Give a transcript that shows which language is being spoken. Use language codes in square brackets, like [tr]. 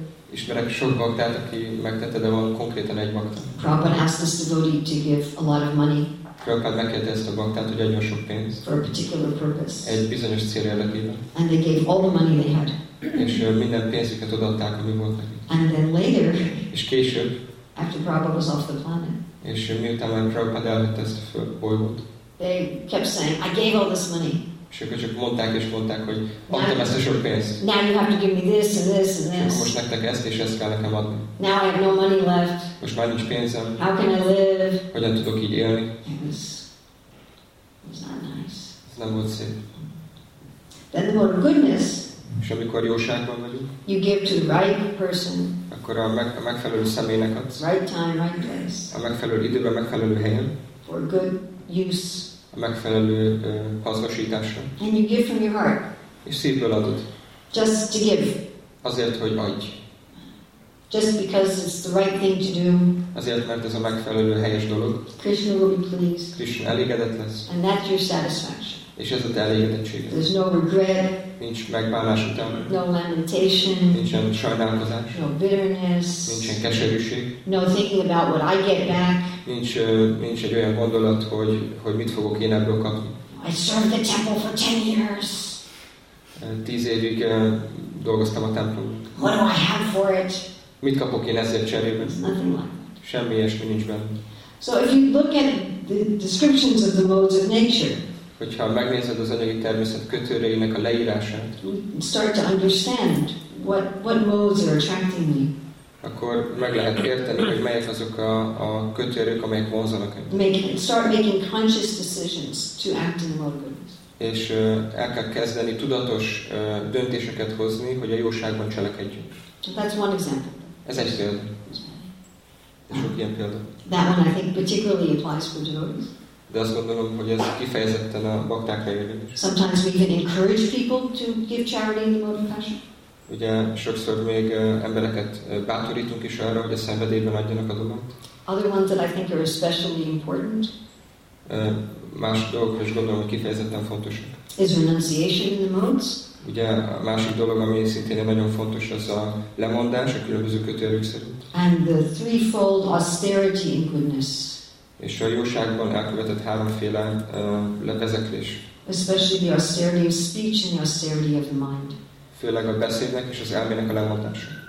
[hu] Ismerek sok baktát, aki megtette, de van konkrétan egy bakta. [en] Prabhupada asked this devotee to give a lot of money. [hu] Prabhupada megkérte ezt a baktát, hogy adjon sok pénzt. [en] For a particular purpose. [hu] Egy bizonyos cél érdekében. [en] And they gave all the money they had. [hu] És minden pénzüket odaadták, ami volt nekik. [en] And then later. [hu] És később. [en] After Prabhupada was off the planet. [hu] És miután már Prabhupada elvitt ezt a bolygót. [en] They kept saying, I gave all this money. [hu] És akkor csak mondták és mondták, hogy adtam ezt a sok pénzt. [en] Now you have to give me this and this and this. [hu] Most nektek ezt és ezt kell nekem adni. [en] Now I have no money left. [hu] Most már nincs pénzem. [en] How can I live? [hu] Hogyan tudok így élni? [en] It was not nice. [hu] Ez nem volt szép. [en] Then the mode of goodness. [hu] És amikor jóságban vagyunk. [en] You give to the right person. [hu] Akkor a megfelelő személynek adsz. [en] Right time, right place. [hu] A megfelelő időben, megfelelő helyen. [en] For good use. [hu] A megfelelő hasznosításra. [en] And you give from your heart. [hu] És szívből adod. [en] Just to give. [hu] Azért, hogy adj. [en] Just because it's the right thing to do. [hu] Azért, mert ez a megfelelő helyes dolog. [en] Krishna will be pleased. [hu] Krishna elégedett lesz. [en] And that's your satisfaction. [hu] És ez a te elégedettséged. [en] There's no regret. [hu] Nincs megbánás után. [en] No lamentation. [hu] Nincsen sajnálkozás. [en] No bitterness. [hu] Nincsen keserűség. [en] No thinking about what I get back. [hu] Nincs egy olyan gondolat, hogy mit fogok én ebből kapni. [en] I served the temple for 10 years. [hu] 10 évig dolgoztam a templomban. [en] What do I have for it? [hu] Mit kapok én ezért cserében? Semmi ilyesmi nincs benne. [en] So if you look at the descriptions of the modes of nature, [hu] hogyha megnézed az anyagi természet kötőreinek a leírását, [en] start to understand what modes are attracting me. [hu] Akkor meg lehet érteni, hogy melyek azok a kötőerők, amelyek vonzanak engem. [en] Start making conscious decisions to act in the mode of goodness. [hu] És el kell kezdeni tudatos döntéseket hozni, hogy a jóságban cselekedjünk. [en] That's one example. [hu] Ez egy példa. Ez sok ilyen példa. [en] That one I think particularly applies for devotees. [hu] De azt gondolom, hogy ez kifejezetten a baktákra érvényes. [en] Sometimes we can encourage people to give charity in the mode of passion. [hu] Ugye sokszor még embereket bátorítunk is arra, hogy a szenvedélyben adjanak a dolgot. [en] Other ones that I think are especially important. [hu] Más dolgok is gondolom, hogy kifejezetten fontosak. [en] Is renunciation in the modes? [hu] Ugye a másik dolog, ami szintén nagyon fontos, az a lemondás a különböző kötőerők szerint. [en] And the threefold austerity in goodness. [hu] És a jóságban elkövetett háromféle levezeklés. [en] Especially the austerity of speech and the austerity of the mind. [hu] Főleg a beszédnek és az elmének a lemondása.